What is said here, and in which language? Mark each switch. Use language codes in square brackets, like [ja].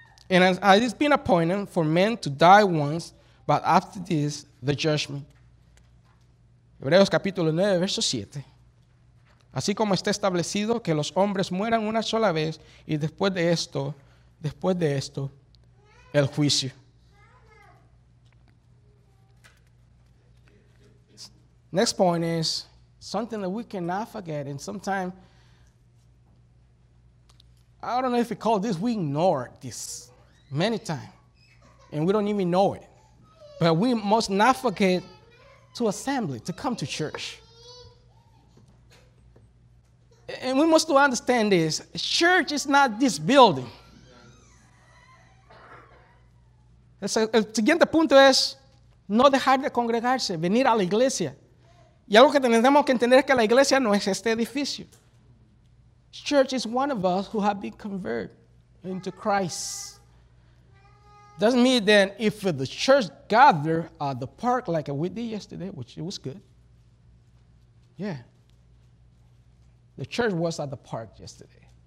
[en] And as it has been appointed for men to die once, but after this, the judgment. [es] Hebreos capítulo 9, verso 7. Así como está establecido que los hombres mueran una sola vez y después de esto, el juicio. [en] Next point is something that we cannot forget, and sometimes, I don't know if we call this, we ignore this many times, and we don't even know it. But we must not forget to assemble, to come to church. And we must understand this. Church is not this building. [es] El siguiente punto es no dejar de congregarse, venir a la iglesia. Y algo que tenemos que entender es que la iglesia no es este edificio. [en] Church is one of us who have been converted into Christ. Doesn't mean that if the church gather at the park like we did yesterday, which it was good. Yeah. The church was at the park yesterday.